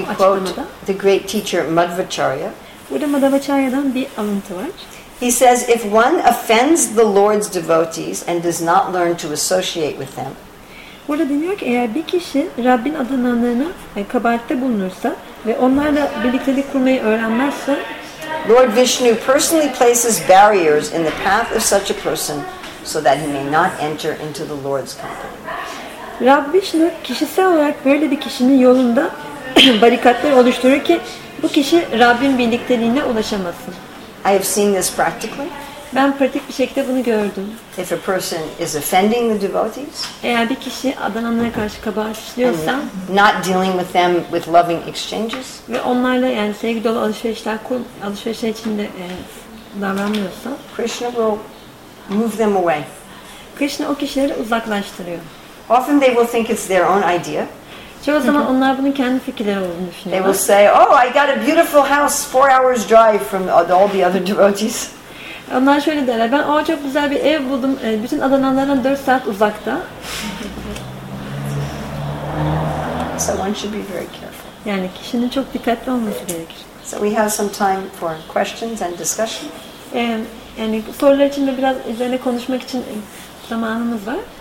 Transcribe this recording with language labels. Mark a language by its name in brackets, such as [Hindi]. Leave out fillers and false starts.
[English] We quote the great teacher Madhvacharya. [Turkish] Burada Madhvacharya'dan bir alıntı var. [English] He says, if one offends the Lord's devotees and does not learn to associate with them, [Turkish] burada deniyor ki eğer bir kişi Rabbin adananlarına kabahatte bulunursa ve onlarla birliktelik kurmayı öğrenmezse, [English] Lord Vishnu personally places barriers in the path of such a person so that he may not enter into the Lord's company. [Turkish] Rab Vishnu kişisel olarak böyle bir kişinin yolunda barikatlar oluşturur ki bu kişi Rabbin birlikteliğine ulaşamasın. [English] I have seen this practically. [Turkish] Ben pratik bir şekilde bunu gördüm. [English] If a person is offending the devotees, [Turkish] eğer bir kişi adananlara karşı kabahat işliyorsa, [English] not dealing with them with loving exchanges, [Turkish] ve onlarla yani sevgi dolu alışverişler içinde davranmıyorsa, [English] Krishna will move them away. [Turkish] Krishna o kişileri uzaklaştırıyor. [English] Often they will think it's their own idea. [Turkish] Çoğu zaman onlar bunun kendi fikirleri olduğunu düşünüyorlar. [English] They will say, "Oh, I got a beautiful house 4 hours drive from all the other devotees." [Turkish] Onlar şöyle derler, ben o çok güzel bir ev buldum, bütün adananlardan 4 saat uzakta. [English] So one should be very careful. [Turkish] Yani kişinin çok dikkatli olması gerekir. [English] So we have some time for questions and discussion. [Turkish] Yani sorular için de biraz üzerine konuşmak için zamanımız var.